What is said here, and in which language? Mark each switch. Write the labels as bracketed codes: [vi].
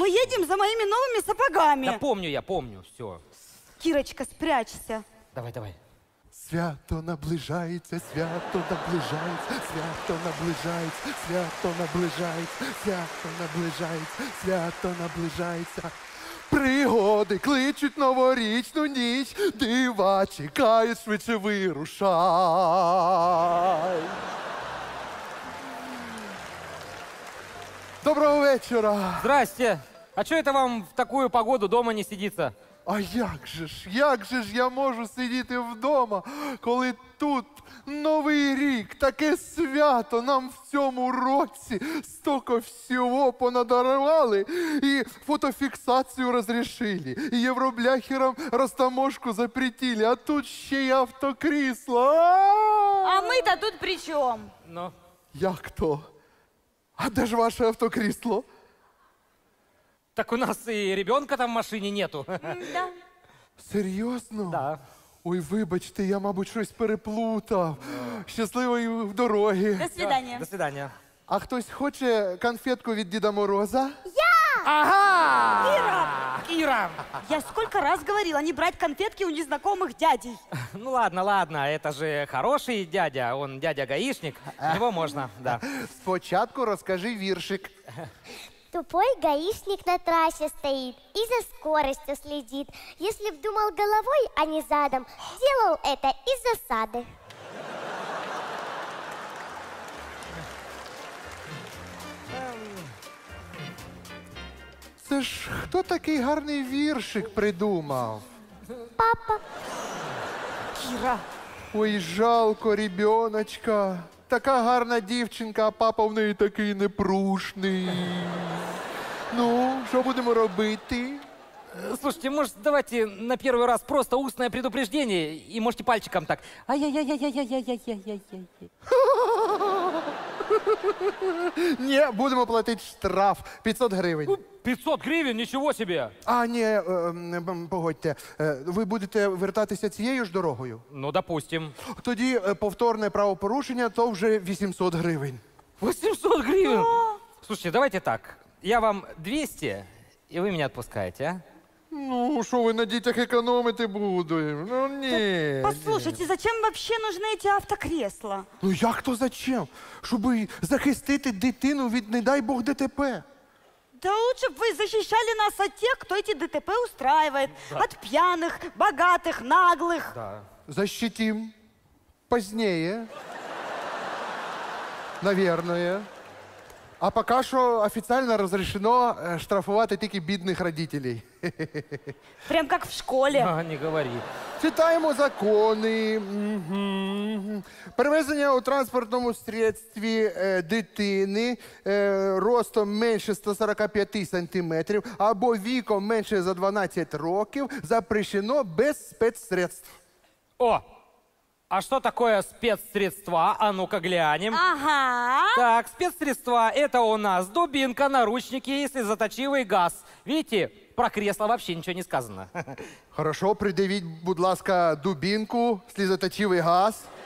[ru] Мы едем за моими новыми сапогами. Да помню я, помню, всё. Кирочка, спрячься. Давай, давай. [uk] Свято наближается, свято наближается, свято наближается, свято наближается, свято наближается, свято наближается. Пригоди кличуть новорічну ніч, дива чекає, швидше вирушай. Доброго вечора. [ru] Здрасте. [uk] А чого це вам в таку погоду дома не сидиться? А як же ж я можу сидіти вдома, коли тут Новий рік, таке свято нам в цьому році, столько всього понадарували, і фотофіксацію розрішили, і євробляхерам розтаможку запретили, а тут ще й автокрісло. [ru] А ми-то тут при чому? Ну? [uk] Як то? А де ж ваше автокрісло? [ru] Так у нас и ребенка там в машине нету. Да. Серьезно? Да. [uk] Ой, вибачте, я, мабуть, щось переплутав. Счастливої дороги. [ru] До свидания. До свидания. [uk] А хтось хоче конфетку від Діда Мороза? Я! Ага! [ru] Кира! Кира! Я сколько раз говорила не брать конфетки у незнакомых дядей. Ну ладно, ладно, это же хороший дядя, он дядя-гаишник. Его можно, да. [uk] Спочатку розкажи віршик. [ru] Тупой гаишник на трассе стоит и за скоростью следит. Если б думал головой, а не задом, делал это из засады. [uk] Це ж хто такий гарний віршик придумав? Папа. Кира. [ru] Ой, жалко ребеночка. [uk] Така гарна дівчинка, а папа в неї такий непрушний. Ну, що будемо робити? Слушайте, може, давайте на перший раз просто усне предупреждение і можете пальчиком так. Ай-яй-яй-яй-яй-яй-яй-яй-яй-яй-яй. Не, будемо платити штраф. 500 гривень. 500 гривень? Нічого собі. А, ні, погодьте. Ви будете вертатися цією ж дорогою? Ну, допустим. Тоді повторне правопорушення, то вже 800 гривень. 800 гривень? Слушайте, давайте так. Я вам 200, і ви мене відпускаєте, а? Ну, що ви на дітях економити будете? Ну, ні. [ru] Так, послушайте, зачем вообще нужны эти автокресла? [uk] Ну, як то зачем? Щоб захистити дитину від, не дай Бог, ДТП. [ru] Да лучше б [uk] ви захищали [ru] нас от тех, хто эти ДТП устраивает. Да. [uk] От п'яних, багатих, наглих. [ru] Да. Защитим. Позднее. Наверное. А пока что официально разрешено штрафовать только бедных родителей. Прям как в школе. А, не говори. Читаем законы. [uk] Перевезення у транспортному средстві дитини ростом менше 145 сантиметрів або віком менше за 12 років [ru] запрещено без спецсредств. [uk] О! [ru] А что такое спецсредства? А ну-ка глянем. Ага. Так, спецсредства – это у нас дубинка, наручники и слезоточивый газ. Видите, про кресло вообще ничего не сказано. Хорошо, предъявить, [uk] будь ласка, [ru] дубинку, слезоточивый газ.